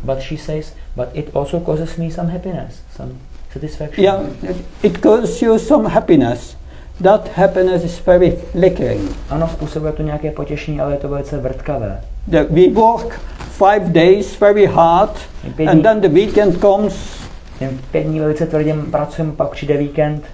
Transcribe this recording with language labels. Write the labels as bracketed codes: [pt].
[en] But she says, but it also causes me some happiness, some satisfaction. Yeah, it causes you some happiness. That happiness is very flickering. [cs] Ano, způsobuje to nějaké potěšení, ale je to velice vrtkavé. [en] We work 5 days very hard and then the weekend comes. [cs] Ten 5 dní velice tvrdě pracujeme, pak přijde víkend.